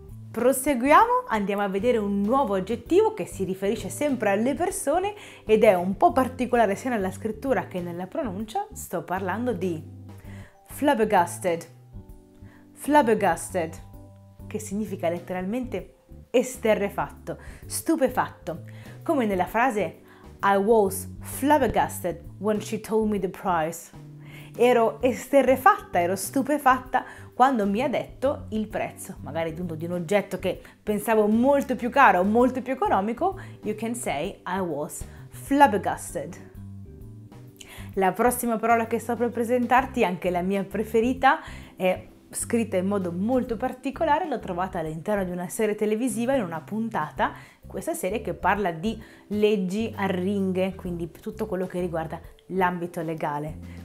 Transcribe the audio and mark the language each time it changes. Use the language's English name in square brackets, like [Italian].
[Italian] Proseguiamo, andiamo a vedere un nuovo aggettivo che si riferisce sempre alle persone ed è un po' particolare sia nella scrittura che nella pronuncia. Sto parlando di flabbergasted. Flabbergasted, che significa letteralmente esterrefatto, stupefatto. Come nella frase [English] "I was flabbergasted when she told me the price". [Italian] Ero esterrefatta, ero stupefatta quando mi ha detto il prezzo, magari giunto di un oggetto che pensavo molto più caro, molto più economico. [English] You can say "I was flabbergasted". [Italian] La prossima parola che sto per presentarti, anche la mia preferita, è scritta in modo molto particolare, l'ho trovata all'interno di una serie televisiva in una puntata, questa serie che parla di leggi arringhe, quindi tutto quello che riguarda l'ambito legale.